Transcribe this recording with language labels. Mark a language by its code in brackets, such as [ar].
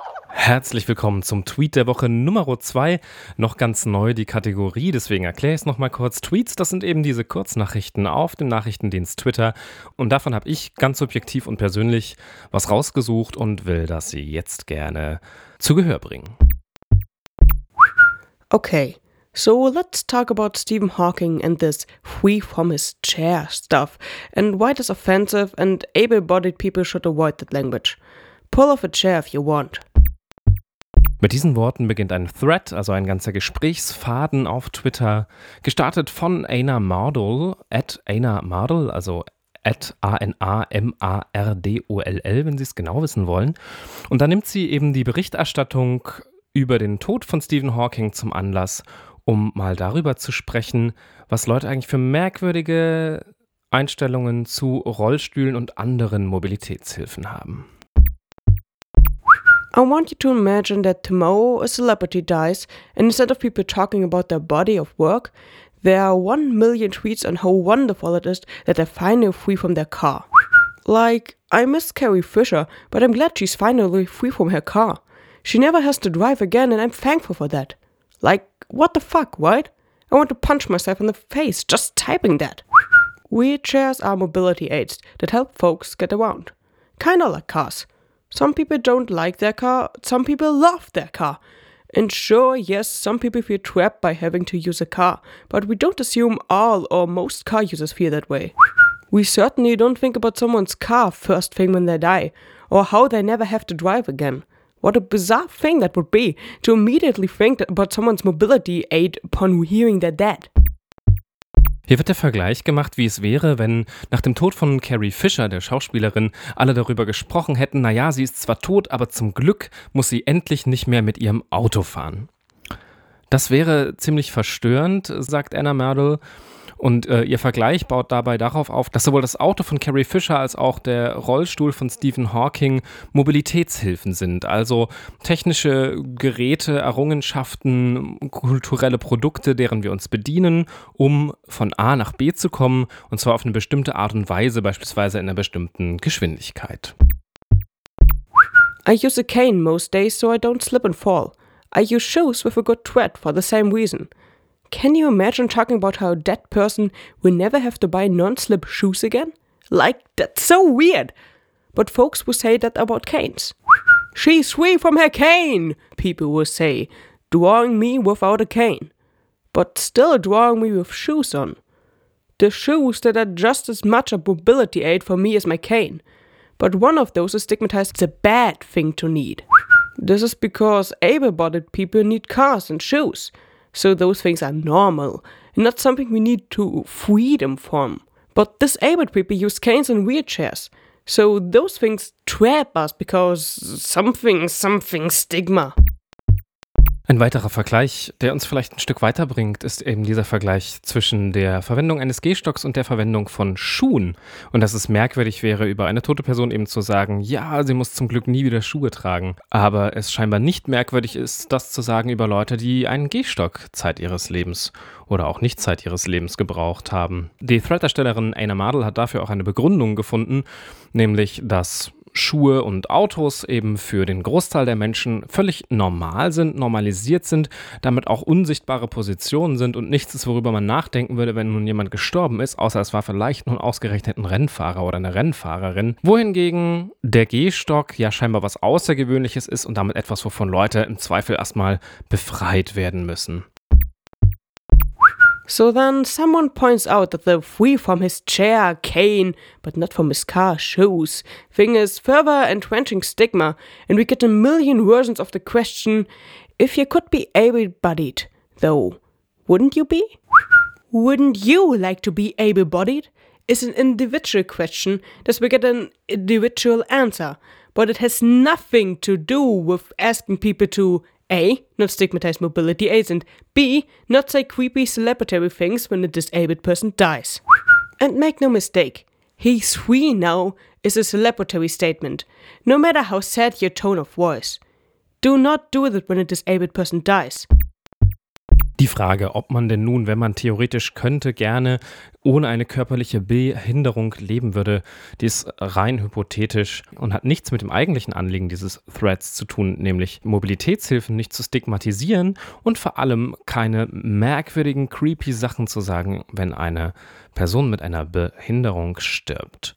[de] Herzlich willkommen zum Tweet der Woche Nummer 2. Noch ganz neu die Kategorie, deswegen erkläre ich es nochmal kurz. Tweets, das sind eben diese Kurznachrichten auf dem Nachrichtendienst Twitter. Und davon habe ich ganz subjektiv und persönlich was rausgesucht und will das Sie jetzt gerne zu Gehör bringen. [en] Okay, So let's talk about Stephen Hawking and this "we from his chair" stuff, and why it is offensive and able-bodied people should avoid that language. Pull off a chair if you want. [de] Mit diesen Worten beginnt ein Thread, also ein ganzer Gesprächsfaden auf Twitter, gestartet von Aina Mardoll, @AinaMardoll, also @AnaMardoll, wenn Sie es genau wissen wollen. Und da nimmt sie eben die Berichterstattung über den Tod von Stephen Hawking zum Anlass, um mal darüber zu sprechen, was Leute eigentlich für merkwürdige Einstellungen zu Rollstühlen und anderen Mobilitätshilfen haben. [en] I want you to imagine that tomorrow a celebrity dies, and instead of people talking about their body of work, there are 1 million tweets on how wonderful it is that they're finally free from their car. Like, I miss Carrie Fisher, but I'm glad she's finally free from her car. She never has to drive again, and I'm thankful for that. Like, what the fuck, right? I want to punch myself in the face just typing that. Wheelchairs are mobility aids that help folks get around. Kinda like cars. Some people don't like their car, some people love their car. And sure, yes, some people feel trapped by having to use a car, but we don't assume all or most car users feel that way. We certainly don't think about someone's car first thing when they die, or how they never have to drive again. What a bizarre thing that would be, to immediately think about someone's mobility aid upon hearing they're dead. [de] Hier wird der Vergleich gemacht, wie es wäre, wenn nach dem Tod von Carrie Fisher, der Schauspielerin, alle darüber gesprochen hätten, naja, sie ist zwar tot, aber zum Glück muss sie endlich nicht mehr mit ihrem Auto fahren. Das wäre ziemlich verstörend, sagt Aina Mardoll. Und ihr Vergleich baut dabei darauf auf, dass sowohl das Auto von Carrie Fisher als auch der Rollstuhl von Stephen Hawking Mobilitätshilfen sind, also technische Geräte, Errungenschaften, kulturelle Produkte, deren wir uns bedienen, um von A nach B zu kommen, und zwar auf eine bestimmte Art und Weise, beispielsweise in einer bestimmten Geschwindigkeit. [en] I use a cane most days, so I don't slip and fall. I use shoes with a good tread for the same reason. Can you imagine talking about how a dead person will never have to buy non-slip shoes again? Like, that's so weird! But folks will say that about canes. She's free from her cane, people will say, drawing me without a cane. But still drawing me with shoes on. The shoes that are just as much a mobility aid for me as my cane. But one of those is stigmatized as a bad thing to need. This is because able-bodied people need cars and shoes. So those things are normal, and not something we need to freedom from. But disabled people use canes and wheelchairs, so those things trap us because something stigma. [de] Ein weiterer Vergleich, der uns vielleicht ein Stück weiterbringt, ist eben dieser Vergleich zwischen der Verwendung eines Gehstocks und der Verwendung von Schuhen. Und dass es merkwürdig wäre, über eine tote Person eben zu sagen, ja, sie muss zum Glück nie wieder Schuhe tragen. Aber es scheinbar nicht merkwürdig ist, das zu sagen über Leute, die einen Gehstock Zeit ihres Lebens oder auch nicht Zeit ihres Lebens gebraucht haben. Die Thread-Erstellerin Aina Mardoll hat dafür auch eine Begründung gefunden, nämlich dass Schuhe und Autos eben für den Großteil der Menschen völlig normal sind, normalisiert sind, damit auch unsichtbare Positionen sind und nichts ist, worüber man nachdenken würde, wenn nun jemand gestorben ist, außer es war vielleicht nun ausgerechnet ein Rennfahrer oder eine Rennfahrerin. Wohingegen der Gehstock ja scheinbar was Außergewöhnliches ist und damit etwas, wovon Leute im Zweifel erstmal befreit werden müssen. [en] So then someone points out that the free from his chair, cane, but not from his car, shoes, thing is further entrenching stigma, and we get a million versions of the question, if you could be able-bodied, though, wouldn't you be? Wouldn't you like to be able-bodied? Is an individual question, thus we get an individual answer, but it has nothing to do with asking people to A, not stigmatize mobility aids, and B, not say creepy celebratory things when a disabled person dies. And make no mistake, he's free now is a celebratory statement, no matter how sad your tone of voice. Do not do that when a disabled person dies. [de] Die Frage, ob man denn nun, wenn man theoretisch könnte, gerne ohne eine körperliche Behinderung leben würde, die ist rein hypothetisch und hat nichts mit dem eigentlichen Anliegen dieses Threads zu tun, nämlich Mobilitätshilfen nicht zu stigmatisieren und vor allem keine merkwürdigen, creepy Sachen zu sagen, wenn eine Person mit einer Behinderung stirbt.